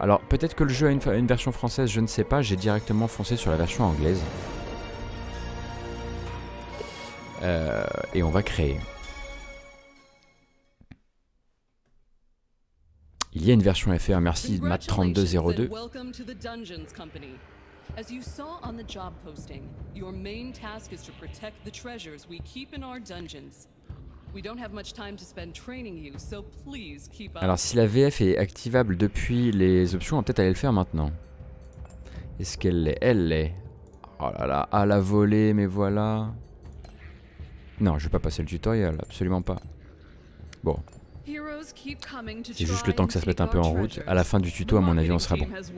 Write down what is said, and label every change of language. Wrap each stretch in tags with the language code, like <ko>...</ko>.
<fr>Alors peut-être que le jeu a une version française, je ne sais pas, j'ai directement foncé sur la version anglaise. Et on va créer. Il y a une version FR, merci Matt3202.</fr> <en>Welcome to the Dungeons Company. As you saw on the job posting, your main task is to protect the treasures we keep in our dungeons. We don't have much time to spend training you, so please keep up.</en> <fr>Alors si la VF est activable depuis les options, on va peut-être aller le faire maintenant. Est-ce qu'elle l'est? Elle l'est. Oh là là, à la volée, mais voilà. Non, je vais pas passer le tutoriel, absolument pas. Bon. C'est juste le temps que ça se mette un peu en route. À la fin du tuto, à mon avis, on sera bon.</fr>